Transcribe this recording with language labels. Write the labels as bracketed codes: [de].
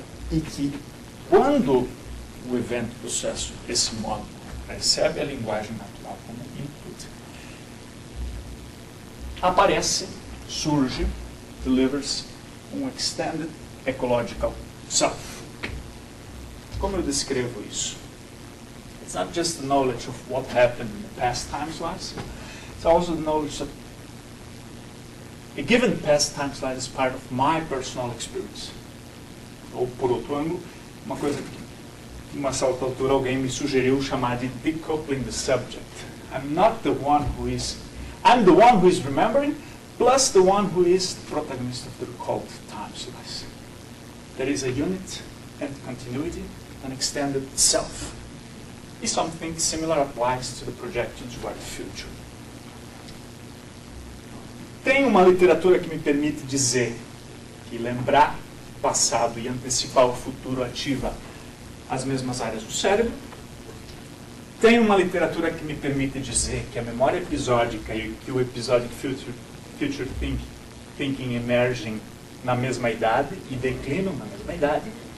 [pt] E que quando o event processo, esse módulo, recebe a linguagem natural como input, aparece, surge, [en] delivers [pt] um [en] extended ecological self. [pt] Como eu descrevo isso? [en] It's not just the knowledge of what happened in the past time slice, it's also the knowledge that a given past time slice is part of my personal experience. [pt] Ou, por outro ângulo, uma coisa que uma certa altura alguém me sugeriu chamar de [en] decoupling the subject. I'm not the one who is... I'm the one who is remembering, plus the one who is the protagonist of the recalled time slice. There is a unit and continuity, an extended self. If something similar applies to the projection toward the future. [pt] Tem uma literatura que me permite dizer que lembrar o passado e antecipar o futuro ativa as mesmas áreas do cérebro. Tem uma literatura que me permite dizer que a memória episódica e que o [en] episodic future thinking [pt] emergem na mesma idade e declinam na mesma idade.